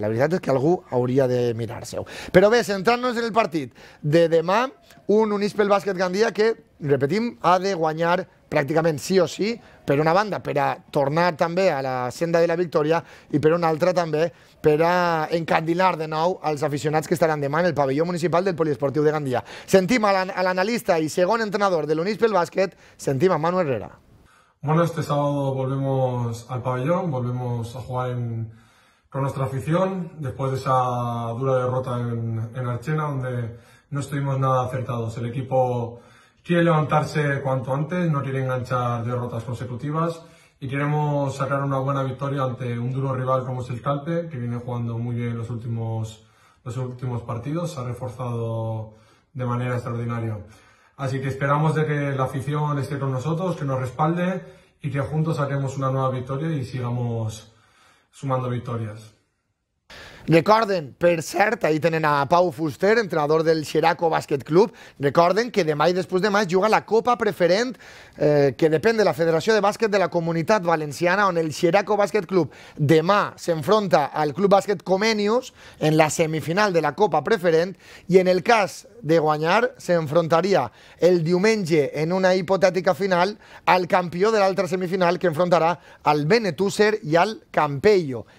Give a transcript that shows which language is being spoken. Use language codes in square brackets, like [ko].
[ca] La veritat és que algú hauria de mirar-se-ho. Però bé, centrant-nos en el partit de demà, un Unix pel bàsquet Gandia que, repetim, ha de guanyar pràcticament sí o sí, per una banda, per a tornar també a la senda de la victòria i per una altra també per a encandilar de nou els aficionats que estaran demà en el pavelló municipal del Poliesportiu de Gandia. Sentim a l'analista i segon entrenador de l'Unix pel Bàsquet, sentim a Manu Herrera. [es] Bueno, este sábado volvemos al pabellón, volvemos a jugar con nuestra afición después de esa dura derrota en Archena, donde no estuvimos nada acertados. El equipo quiere levantarse cuanto antes, no quiere enganchar derrotas consecutivas y queremos sacar una buena victoria ante un duro rival como es el Calpe, que viene jugando muy bien los últimos partidos, se ha reforzado de manera extraordinaria. Así que esperamos de que la afición esté con nosotros, que nos respalde y que juntos saquemos una nueva victoria y sigamos sumando victorias. [ca] Recorden, per cert, ahí tenen a Pau Fuster, entrenador del Xeraco Basket Club, recorden que demà i després demà es juga la Copa Preferent, que depèn de la Federació de Bàsquet de la Comunitat Valenciana, on el Xeraco Basket Club demà s'enfronta al Club Bàsquet Comenius en la semifinal de la Copa Preferent i en el cas de guanyar s'enfrontaria el diumenge en una hipotètica final al campió de l'altra semifinal que enfrontarà al Benetúser i al Campello.